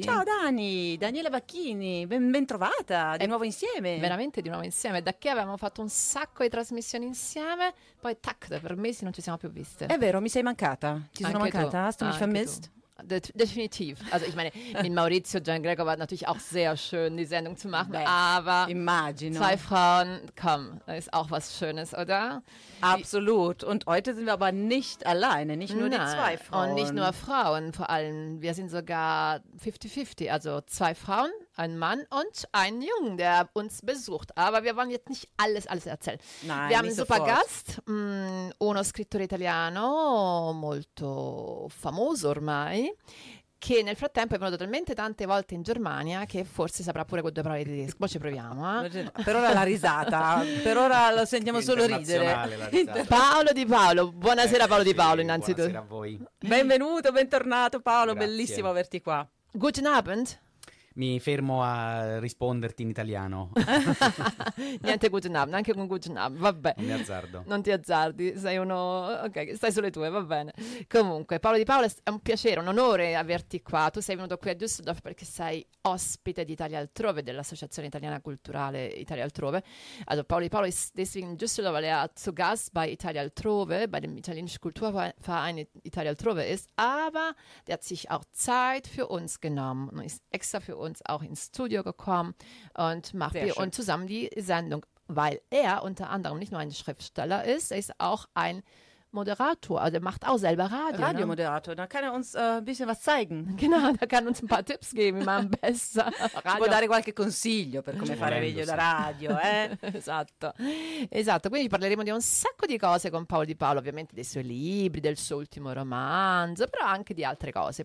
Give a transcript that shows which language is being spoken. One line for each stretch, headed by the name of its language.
Italian: Ciao Dani, Daniela Bacchini, ben trovata, di nuovo insieme. Veramente di nuovo insieme, da che avevamo fatto un sacco di trasmissioni insieme. Poi tac, da per mesi non ci siamo più viste. È vero, mi sei mancata. Ti sono mancata,
German: hast du mich vermisst? Definitiv. Also ich meine, mit Maurizio Gianglego war natürlich auch sehr schön, die Sendung zu machen. Beh, aber
Italian: immagino.
German: Zwei Frauen, komm, ist auch was Schönes, oder? Absolut. Und heute sind wir aber nicht alleine, nicht nur Nein. die zwei Frauen. Und nicht nur Frauen, vor allem, wir sind sogar 50-50. Also zwei Frauen, ein Mann und ein Junge, der uns besucht. Aber wir wollen jetzt nicht alles erzählen. Nein, wir haben einen sofort. Super Gast,
Italian: uno scrittore italiano, molto famoso ormai. Che nel frattempo è venuto talmente tante volte in Germania che forse saprà pure con due parole di tedesco. Poi ci proviamo. Per ora la risata, per ora lo sentiamo solo ridere. Paolo Di Paolo, buonasera Paolo Di Paolo, innanzitutto. Buonasera a voi. Benvenuto, bentornato Paolo, grazie. Bellissimo averti qua.
German: Guten Abend.
Italian: Mi fermo a risponderti in italiano. Niente
German: guten Abend,
Italian: anche con guten Abend, vabbè. Non mi azzardo. Non ti azzardi, sei uno... Ok, stai sulle tue, va bene. Comunque, Paolo Di Paolo, è un piacere, un onore averti qua. Tu sei venuto qui a Düsseldorf perché sei ospite di Italia Altrove, dell'Associazione Italiana Culturale Italia Altrove.
German: Also Paolo Di Paolo ist deswegen in Düsseldorf, weil er zu Gast bei Italia Altrove, bei dem italienischen Kulturverein Italia Altrove ist. Aber der hat sich auch Zeit für uns genommen und ist extra für uns auch ins Studio gekommen und macht Sehr hier schön. Und zusammen die Sendung, weil er unter anderem nicht nur ein Schriftsteller ist, er ist auch ein Moderator, also er macht auch selber Radio. Radiomoderator, ne? Da kann er uns ein bisschen was zeigen. Genau, da kann uns ein paar Tipps geben, wie man besser Radio...
Italian: Ci può dare qualche consiglio per come fare meglio la radio, eh? Esatto, quindi parleremo di un sacco di cose con Paolo Di Paolo, ovviamente dei suoi libri, del suo ultimo romanzo, però anche di altre cose.